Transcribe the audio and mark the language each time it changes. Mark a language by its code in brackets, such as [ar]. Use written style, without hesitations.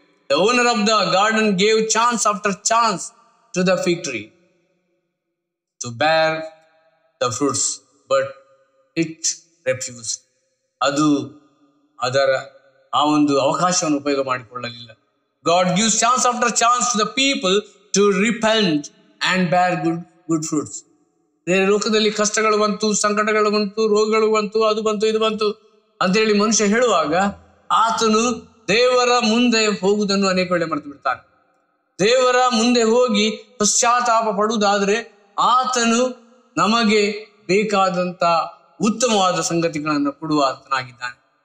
[en] The owner of the garden gave chance after chance to the fig tree to bear the fruits, but it refuse. [kn] ಅದು ಅದರ ಆ ಒಂದು ಅವಕಾಶವನ್ನು ಉಪಯೋಗ ಮಾಡಿಕೊಳ್ಳಲಿಲ್ಲ. [en] God gives chance after chance to the people to repent and bear good fruits. [kn] ಬೇರೆ ಲೋಕದಲ್ಲಿ ಕಷ್ಟಗಳು ಬಂತು, ಸಂಕಟಗಳು ಬಂತು, ರೋಗಗಳು ಬಂತು, ಅದು ಬಂತು ಇದು ಬಂತು ಅಂತೇಳಿ ಮನುಷ್ಯ ಹೇಳುವಾಗ ಆತನು ದೇವರ ಮುಂದೆ ಹೋಗುವುದನ್ನು ಅನೇಕ ವೇಳೆ ಮರೆತು ಬಿಡ್ತಾನೆ. ದೇವರ ಮುಂದೆ ಹೋಗಿ ಪಶ್ಚಾತ್ತಾಪ ಪಡುವುದಾದರೆ ಆತನು ನಮಗೆ ಬೇಕಾದಂಥ ಉತ್ತಮವಾದ ಸಂಗತಿಗಳನ್ನು ಕೊಡುವ ಆತನಾಗಿದ್ದಾನೆ.